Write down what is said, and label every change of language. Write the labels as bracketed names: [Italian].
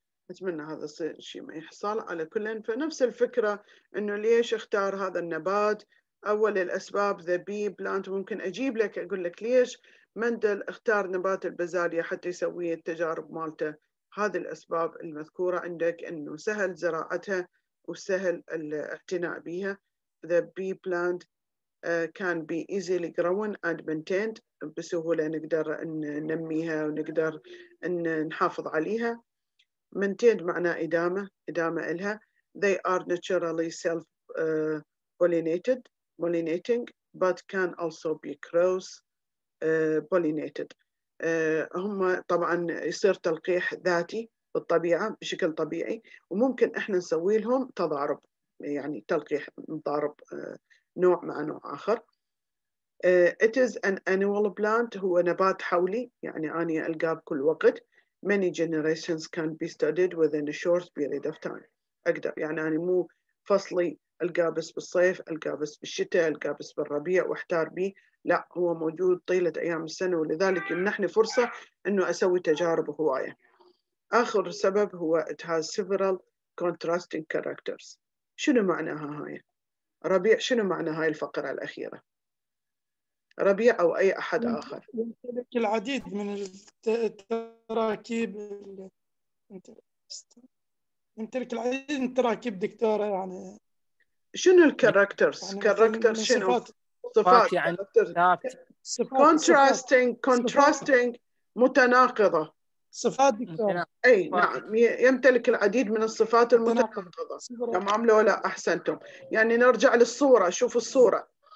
[Arabic] اتمنى هذا يصير شيء ما يحصل على كلن. فنفس الفكرة انه ليش اختار هذا النبات، اول الاسباب ذا بي بلانت، ممكن اجيب لك اقول لك ليش مندل اختار نبات البزاليا حتى يسوي التجارب مالته. هذه الأسباب المذكورة عندك أنه سهل زراعتها وسهل الاعتناء بها. [English] The bee plant can be easily grown and maintained. [Arabic] بسهولة نقدر أن ننميها ونقدر أن نحافظ عليها. Maintained معناه إدامة، إدامة إلها. [English] They are naturally self-pollinated, pollinating, but can also be cross-pollinated. [Arabic] هم طبعا يصير تلقيح ذاتي بالطبيعة بشكل طبيعي، وممكن احنا نسوي لهم تضارب، يعني تلقيح مضارب نوع مع نوع اخر. [English] It is an annual plant، [Arabic] هو نبات حولي، يعني اني القاه بكل وقت. [English] Many generations can be studied within a short period of time، [Arabic] اقدر يعني انا مو فصلي القاه بس بالصيف، القاه بس بالشتاء، القاه بس بالربيع واحتار به، لا هو موجود طيلة أيام السنة، ولذلك يمنحني فرصة أنه أسوي تجارب هواية. آخر سبب هو [English] it has several contrasting characters. [Arabic] شنو معناها هاي؟ ربيع شنو معنى هاي الفقرة الأخيرة؟ ربيع أو أي أحد آخر؟ يمتلك العديد من التراكيب، يمتلك العديد من التراكيب دكتورة. يعني شنو الكاركترز؟ كاركتر شنو؟ صفات يعني [English] contrasting، contrasting متناقضة. [Arabic] صفات دكتور. أي نعم، يمتلك العديد من الصفات المتناقضة. تمام لو لا أحسنتم. يعني نرجع للصورة، شوف الصورة.